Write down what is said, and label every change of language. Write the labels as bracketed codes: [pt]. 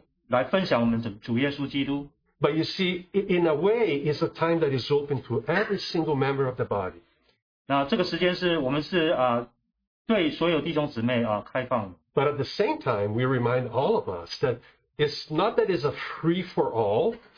[zh] 所以按着主耶稣基督的带领,我们弟兄姐妹能够来分享我们主耶稣基督。 [en] But you see, in a way, it's a time that is open to every single member of the body. [zh] 那这个时间是我们是对所有弟兄姊妹开放的。 [en] But at the same time, we remind all of us that it's not that it's a free for all.